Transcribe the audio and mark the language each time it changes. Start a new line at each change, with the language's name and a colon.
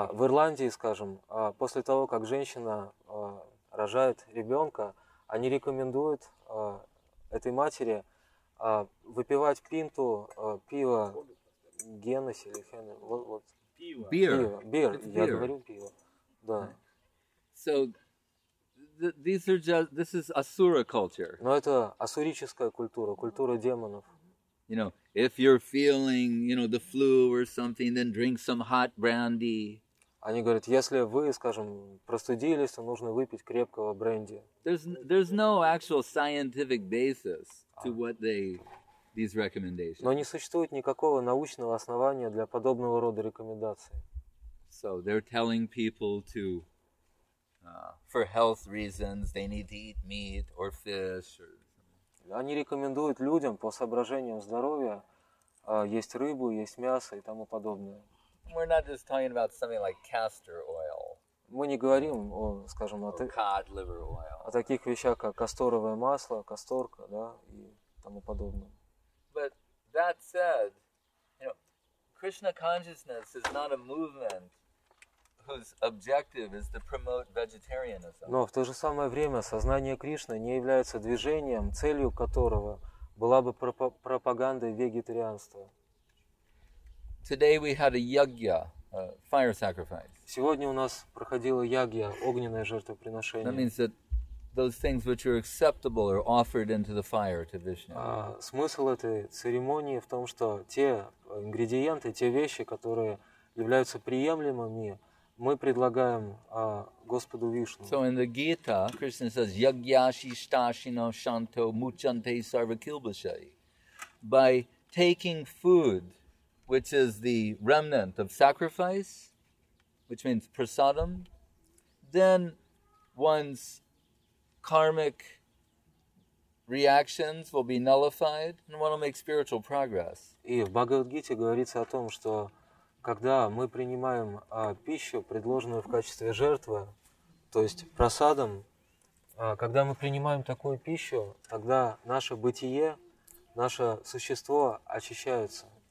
Russian: В Ирландии, скажем, после того, как женщина рожает ребенка, они рекомендуют этой матери выпивать пинту пива Guinness или Хеннесси. Вот.
English: Beer.
Russian: Я говорю пиво. Да.
English: So, this is asura culture.
Russian: Но это асурическая культура, культура демонов.
English: You know, if you're feeling, the flu or something, then drink some hot brandy.
Russian: Они говорят, если вы, скажем, простудились, то нужно выпить крепкого бренди.
English: There's no actual scientific basis to what these recommendations.
Russian: Но не существует никакого научного основания для подобного рода рекомендаций.
English: So they're telling people to, for health reasons, they need to eat meat or fish or.
Russian: Они рекомендуют людям по соображениям здоровья есть рыбу, есть мясо и тому подобное.
English: We're not just talking about something like castor oil.
Russian: Мы не говорим о, скажем,
English: cod liver oil.
Russian: О таких вещах, как касторовое масло, касторка, да, и тому подобное.
English: But that said, Krishna consciousness is not a movement whose objective is to promote vegetarianism.
Russian: Но в то же самое время сознание Кришны не является движением, целью которого была бы пропагандой вегетарианства.
English: Today we had a yagya, a fire sacrifice.
Russian: Сегодня у нас проходила ягья, огненное жертвоприношение.
English: That means that those things which are acceptable are offered into the fire to Vishnu.
Russian: Смысл этой церемонии в том, что те ингредиенты, те вещи, которые являются приемлемыми, мы предлагаем Господу Вишну.
English: So in the Gita, Krishna says,
Sanskrit: "Yagyashi stashino shanto muchante sarvakilbashai."
English: By taking food, which is the remnant of sacrifice, which means prasadam, then one's karmic reactions will be nullified, and one will make spiritual progress.
Russian: И в Бхагавад-гите говорится о том, что когда мы принимаем пищу, предложенную в качестве жертвы, то есть просадом, когда мы принимаем такую пищу, тогда наше бытие, наше существо очищается.